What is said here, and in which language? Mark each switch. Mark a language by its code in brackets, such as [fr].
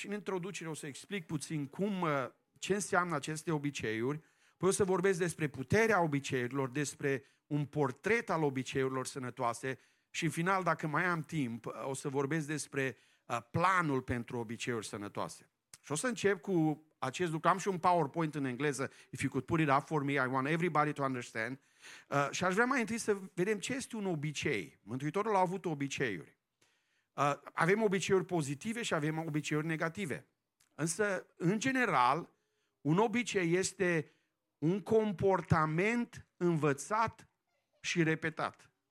[ro] Și în introducere o să explic puțin ce înseamnă aceste obiceiuri, apoi o să vorbesc despre puterea obiceiurilor, despre un portret al obiceiurilor sănătoase și în final, dacă mai am timp, o să vorbesc despre planul pentru obiceiuri sănătoase. Și o să încep cu acest lucru. Am și un PowerPoint în engleză. [en] If you could put it up for me, I want everybody to understand. [ro] Și aș vrea mai întâi să vedem ce este un obicei. Mântuitorul a avut obiceiuri. Avem obiceiuri pozitive și avem obiceiuri negative. Însă, în general, un obicei este un comportament învățat și repetat.